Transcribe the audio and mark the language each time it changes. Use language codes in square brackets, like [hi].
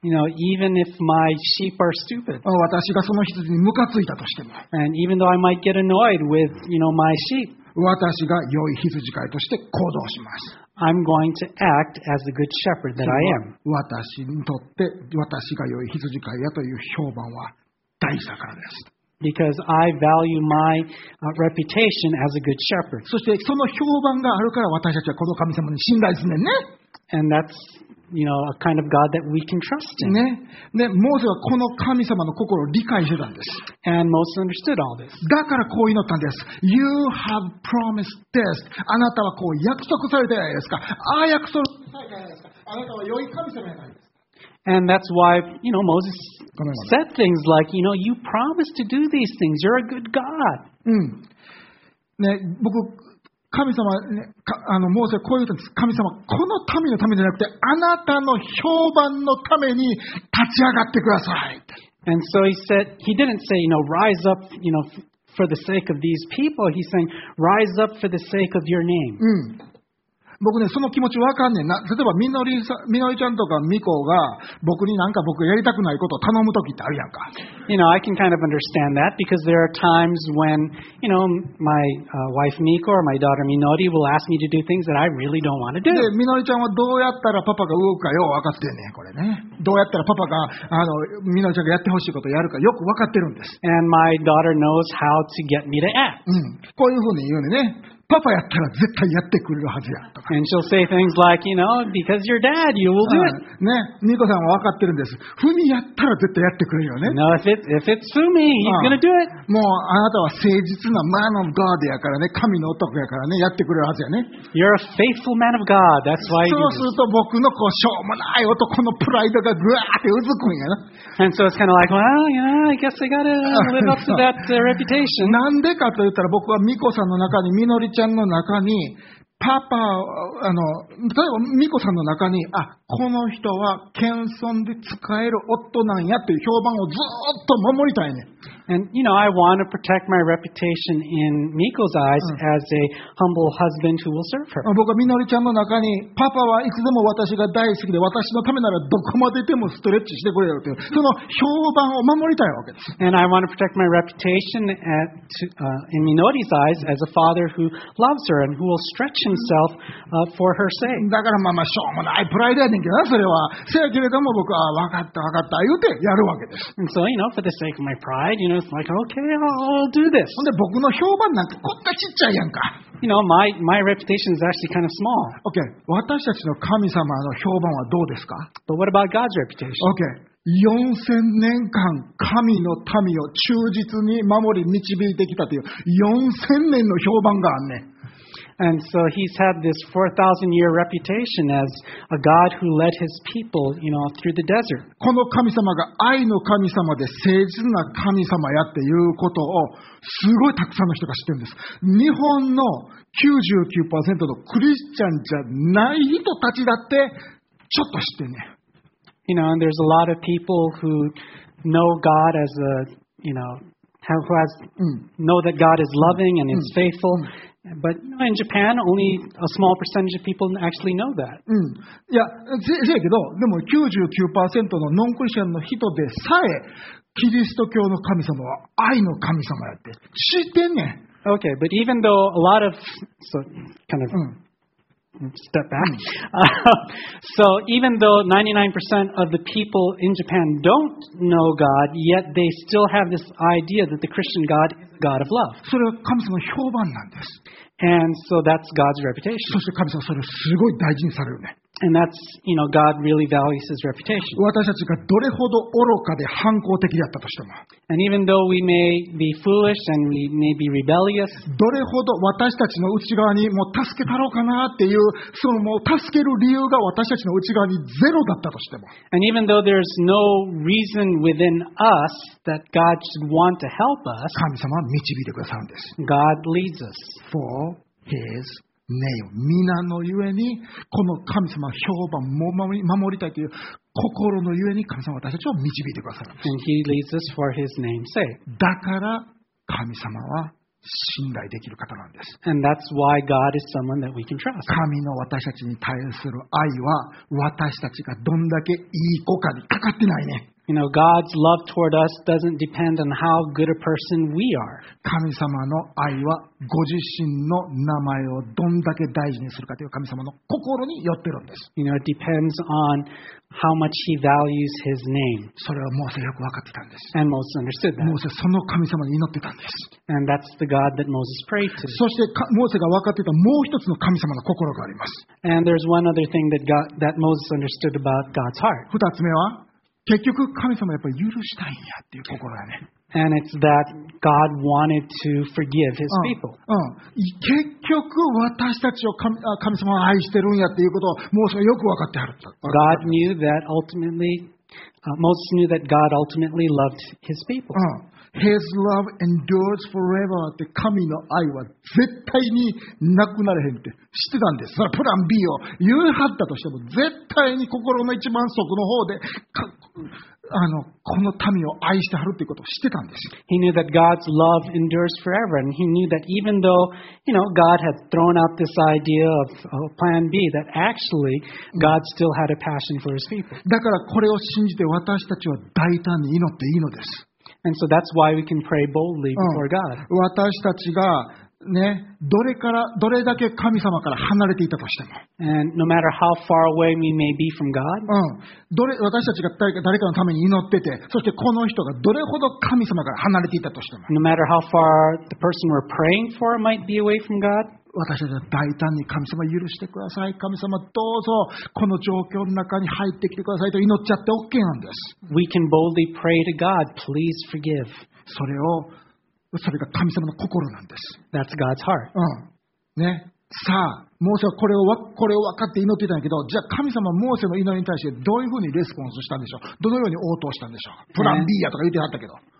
[en] you know, even if my sheep are stupid, [ja] 私がその羊にムカついたとしても、 [en] and even though I might get annoyed with, you know, my sheep, [ja] 私が良い羊飼いとして行動します。 [en] I'm going to act as the good shepherd that I am. [ja] 私にとって私が良い羊飼いやという評判は大事だからです。 [en] Because I value my reputation as a good shepherd. [ja] そしてその評判があるから私たちはこの神様に信頼するね。 [en] And that's, you know, a kind of God that we can trust in. ね。 [ja] で、モーセはこの神様の心を理解してたんです。 [en] And Moses understood all this. [ja] だからこう祈ったんです。 [en] You have promised this. [ja] あなたはこう約束されたじゃないですか。ああ約束されたじゃないですか。あなたは良い神様じゃないですか。 [en] And that's why, you know, Moses said things like, you know, you promised to do these things. You're a good God. [ja] ね、僕、神様、ね、あの、モーセはこう言ったんです。神様、この民のためじゃなくて、あなたの評判のために立ち上がってください。 [en] And so he said, he didn't say, you know, rise up, you know, for the sake of these people. He's saying, rise up for the sake of your name. うん。 [ja] 僕ね、その気持ちわかんねえな。例えば、みのりちゃんとかみこが、僕になんか僕やりたくないことを頼むときってあるやんか。 [en] You know, I can kind of understand that because there are times when, you know, my wife Miko or my daughter Minori will ask me to do things that I really don't want to do. [ja] で、みのりちゃんはどうやったらパパが動くかよくわかってんねん、これね。どうやったらパパが、あの、みのりちゃんがやってほしいことをやるかよくわかってるんです。 [en] And my daughter knows how to get me to act. うん。 [ja] こういうふうに言うねね。パパやったら絶対やってくれるはずやとか。 [en] And she'll say things like, you know, because you're dad, you will do it. [ja] ね、ニコさんは分かってるんです。フミやったら絶対やってくれるよね。 [en] No, if it's Fumi, he's gonna do it. [ja] もうあなたは誠実な [en] man of God [ja] やからね、神の男やからね、やってくれるはずやね。 [en] You're a faithful man of God. That's why. [ja] そうすると僕のこうしょうもない男のプライドがぐわーってうずくんやな。 [en] And so it's kind of like, well, you know, I guess I gotta live up to that reputation. [ja] なんでかと言ったら僕はニコさんの中にみのりちゃんの中にパパ、あの、例えばミコさんの中に、あ、この人は謙遜で使える夫なんやという評判をずっと守りたいね。 [en] And, you know, I want to protect my reputation in Miko's eyes as a humble husband who will serve her. [ja] 僕はみのりちゃんの中に、パパはいつでも私が大好きで、私のためならどこまででもストレッチしてくれるという、その評判を守りたいわけです。 [en] And I want to protect my reputation in Minori's eyes as a father who loves her and who will stretch himself for her sake. [ja] だからまあまあしょうもないプライドやねんけどな、それは。せやけれども僕は、わかったわかった言うてやるわけです。 [en] And so, you know, for the sake of my pride,You know, it's like, okay, I'll do this. [ja] で僕の評判なんてこんなちっちゃいやんか。 [en] You know, my reputation is actually kind of small. Okay, [ja] 私たちの神様の評判はどうですか? [en] But what about God's reputation? Okay. [ja] 4000年間神の民を忠実に守り導いてきたという4000年の評判があんね。 [en] And so he's had this 4,000 year reputation as a God who led his people, you know, through the desert. [ja] この神様が愛の神様で誠実な神様やっていうことをすごいたくさんの人が知ってるんです。日本の 99% のクリスチャンじゃない人たちだってちょっと知ってんね。 [en] You know, and there's a lot of people who know God as a, you know, who has, know that God is loving and is faithful. But you know, in Japan, only a small percentage of people actually know that. Yeah, [ja] せやけど、でも 99% のノンクリスチャンの人でさえ、キリスト教の神様は愛の神様やって知ってんねん。 [en] Okay, but even though a lot of, so, kind of,step back. So even though 99% of the people in Japan don't know God, yet they still have this idea that the Christian God is a God of love. [ja] それは神様の評判なんです。 [en] And so that's God's reputation. [ja] そして神様それすごい大事にされるね。 [en] And that's, you know, God really values his reputation. [ja] 私たちがどれほど愚かで反抗的であったとしても。 [en] And even though we may be foolish and we may be rebellious, [ja] どれほど私たちの内側にもう助けたろうかなっていう、そのもう助ける理由が私たちの内側にゼロだったとしても。 [en] And even though there's no reason within us that God should want to help us, [ja] 神様は導いてくださるんです。 [en] God leads us. For his name. [ja] 皆のゆえにこの神様評判も守りたいという心のゆえに神様は私たちを導いてくださる。 [en] And he leads us for his name's sake. [ja] だから神様は信頼できる方なんです。 [en] And that's why God is someone that we can trust. [ja] 神の私たちに対する愛は私たちがどんだけいい子かにかかってないね。 [en] You know, God's love toward us doesn't depend on how good a person we are. [ja] 神様の愛はご自身の名前をどんだけ大事にするかという神様の心によってるんです。 [en] You know, it depends on how much he values his name. [ja] それはモーセよく分かってたんです。 [en] And Moses understood that. [ja] モーセその神様に祈ってたんです。 [en] And that's the God that Moses prayed to. [ja] そしてモーセが分かってたもう一つの神様の心があります。 [en] And there's one other thing that that Moses understood about God's heart. [ja] 二つ目は結局神様はやっぱり許したいんやっていう心やね。 [en] And it's that God wanted to forgive his people. [ja] 結局私たちを神様は愛してるんやっていうことをモーセはよく分かってはる。 [en] God knew that ultimately, Moses knew that God ultimately loved his people. His love endures forever. [ja] って神の愛は絶対になくなれへんって知ってたんです。それはプラン B を言い張ったとしても絶対に心の一番底の方でこの民を愛してはるということを知ってたんです。 [en] He knew that God's love endures forever, and he knew that even though, you know, God had thrown out this idea of Plan B, that actually God still had a passion for his people. [ja] だからこれを信じて私たちは大胆に祈っていいのです。 [en] And so that's why we can pray boldly before God. [ja] 私たちがね、どれだけ神様から離れていたとしても、 [en] And no matter how far away we may be from God, [ja] 私たちが誰かのために祈ってて、そしてこの人がどれほど神様から離れていたとしても、 [en] No matter how far the person we're praying for might be away from God. [ja] 私たちは大胆に神様許してください。神様どうぞこの状況の中に入ってきてくださいと祈っちゃって OK なんです。 [en] We can boldly pray to God, please forgive. [ja] それが神様の心なんです。 [en] That's God's heart. ね。 [ja] さあ、モーセはこれを分かって祈ってたんだけど、じゃあ神様はモーセの祈りに対してどういうふうにレスポンスしたんでしょう。どのように応答したんでしょう。プラン B やとか言ってはったけど。